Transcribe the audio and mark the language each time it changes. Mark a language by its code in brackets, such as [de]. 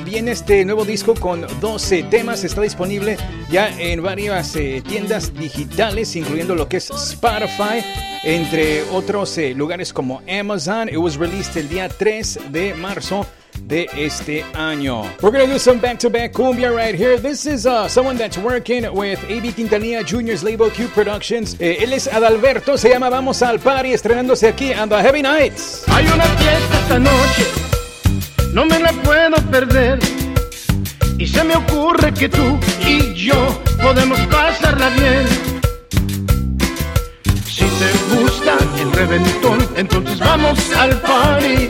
[es] Viene este nuevo disco con 12 temas. Está disponible ya en varias tiendas digitales, incluyendo lo que es Spotify, entre otros lugares como Amazon. It was released el día 3 de marzo de este año. [en] We're gonna do some back-to-back cumbia right here. This is someone that's working with AB Quintanilla Jr.'s label Q Productions. [es] Él es Adalberto, se llama Vamos al Party, estrenándose aquí on the Heavy Nights. Hay una fiesta esta noche, no me la puedo perder. Y se me ocurre que tú y yo podemos pasarla bien. Si te gusta el reventón, entonces vamos al party.